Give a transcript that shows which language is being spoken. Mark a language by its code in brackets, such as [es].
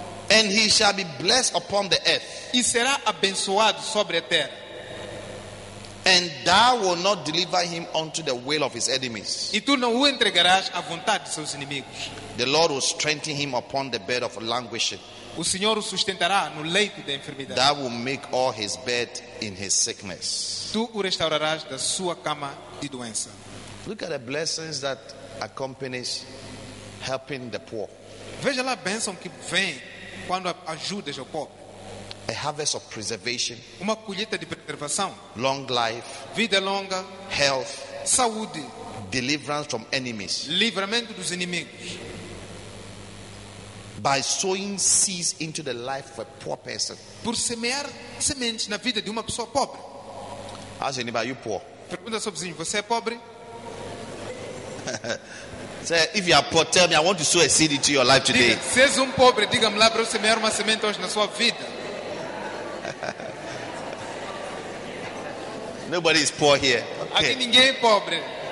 [en] And he shall be blessed upon the earth. [pt] E será abençoado sobre a terra. [en] And thou will not deliver him unto the will of his enemies. [pt] E tu não o entregarás à vontade de seus inimigos. [en] The Lord will strengthen him upon the bed of languishing. [pt] O Senhor o sustentará no leito da enfermidade. [en] Thou will make all his bed in his sickness. [pt] Tu o restaurarás da sua cama de doença. [en] Look at the blessings that accompanies helping the poor. [pt] Veja lá a bênção que vem quando ajudas o pobre. [en] A harvest of preservation. [pt] Uma colheita de preservação. [en] Long life. [pt] Vida longa. [en] Health. [pt] Saúde. [en] Deliverance from enemies. [pt] Livramento dos inimigos. [en] By sowing seeds into the life of a poor person. [pt] Por semear sementes na vida de uma pessoa pobre. [en] Ask anybody, you poor. [pt] Pergunta ao seu vizinho, você é pobre? [en] Say, if you are poor, tell me, I want to sow a seed into your life today. [pt] Se és pobre, diga-me lá para eu semear uma semente hoje na sua vida. [en] Nobody is poor here. Okay. [pt] Aqui ninguém é pobre.